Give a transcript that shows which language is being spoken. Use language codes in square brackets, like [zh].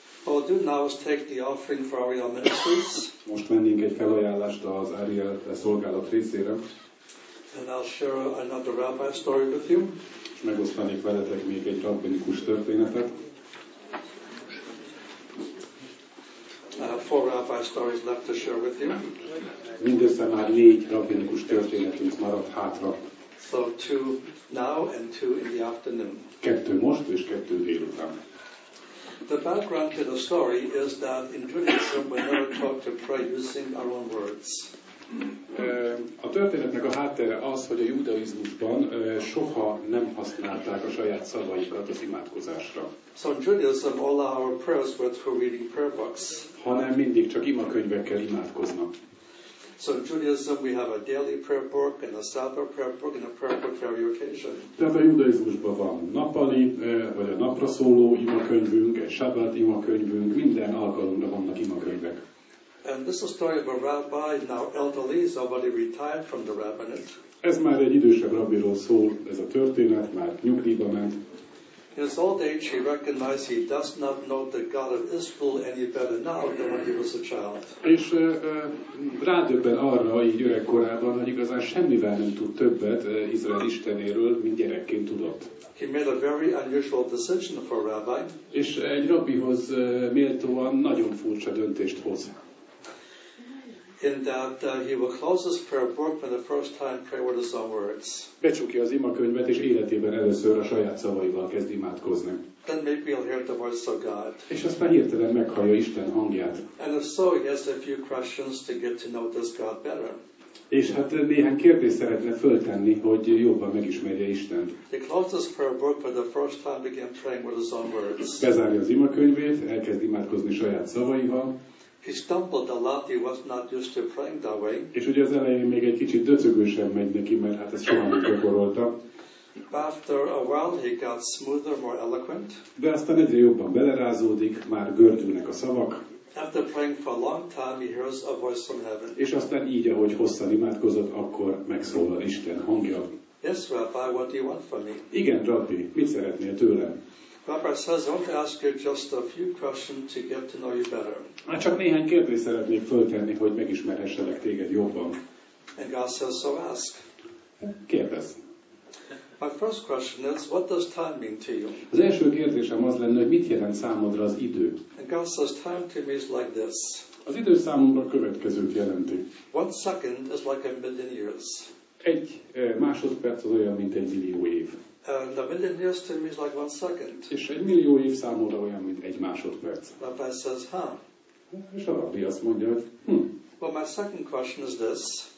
[en] do now is take the offering for Ariel Ministries. [hu] Most vennénk egy felajánlást az Ariel szolgálat részére. [en] And I'll share another rabbi story with you. [hu] És megosztanék veletek még egy rabbinikus történetet. [en] I have four rabbi stories left to share with you. [hu] Mindössze már négy rabbinikus történetünk maradt hátra. [en] So two now and two in the afternoon. [hu] Kettő most és kettő délután. [en] The background to the story is that in Judaism we never talk to pray using our own words. [hu] A történetnek a háttere az, hogy a judaizmusban soha nem használták a saját szavaikat az imádkozásra. [en] So in Judaism all our prayers were through reading prayer books. [hu] Hanem mindig csak imakönyvekkel imádkoznak. [en] So in Judaism we have a daily prayer book and a Sabbath prayer book and a prayer book for every occasion. [hu] Tehát a judaizmusban van nappali, vagy a napra szóló imakönyvünk, egy Sabbat imakönyvünk, minden alkalomra vannak imakönyvek. [en] And this is a story of a rabbi, now elderly, he's already retired from the rabbinate. [hu] Ez már egy idősebb rabbiról szól, ez a történet, már nyugdíjba ment. [en] In his old age he recognized he does not know the God of Israel any better now than when he was a child. [hu] És rádöbben arra, így öreg korában, hogy igazán semmivel nem tud többet Izrael Istenéről, mint gyerekként tudott. [en] He made a very unusual decision for a rabbi. [hu] És egy rabbihoz méltóan nagyon furcsa döntést hoz. [en] In that he will close his prayer book for the first time pray with his own words. [hu] Becsukja az imakönyvet és életében először a saját szavaival kezd imádkozni. [en] Then maybe he'll hear the voice of God. [hu] És aztán hirtelen meghallja Isten hangját. [en] And if so, he has a few questions to get to know this God better. [hu] És hát néhány kérdést szeretne föltenni, hogy jobban megismerje Istent. [en] He closed his prayer book for the first time began praying with his own words. [hu] Bezárja az imakönyvét, elkezd imádkozni saját szavaival. [en] He stumbled a lot. He was not used to praying that way. [hu] És ugye az elején még egy kicsit döcögősen megy neki, mert hát ez soha nem gyakorolta. [en] After a while, he got smoother, more eloquent. [hu] De aztán egyre jobban belerázódik, már gördülnek a szavak. [en] After praying for a long time, he hears a voice from heaven. [hu] És aztán így, ahogy hosszan imádkozott, akkor megszólal Isten hangja. [en] Yes, Rabbi, what do you want from me? [hu] Igen, Rabbi, mit szeretnél tőlem? [en] Rabbi says, I want to ask you just a few questions to get to know you better. [hu] Hát csak néhány kérdést szeretnék föltenni, hogy megismerhesselek téged jobban. [en] And God says, so ask. [hu] Kérdez. [en] My first question is, what does time mean to you? [hu] Az első kérdésem az lenne, hogy mit jelent számodra az idő? [en] And God says, time to me is like this. [hu] Az idő számomra következőt jelenti. [en] 1 second is like a million years. [hu] Egy másodperc az olyan, mint egy millió év. [en] And a million years to me is like 1 second. [hu] És egy millió év számomra olyan, mint egy másodperc. [en] Rabbi says, huh? [hu] És a rabbi azt mondja, hogy [en] Well, my second question is this.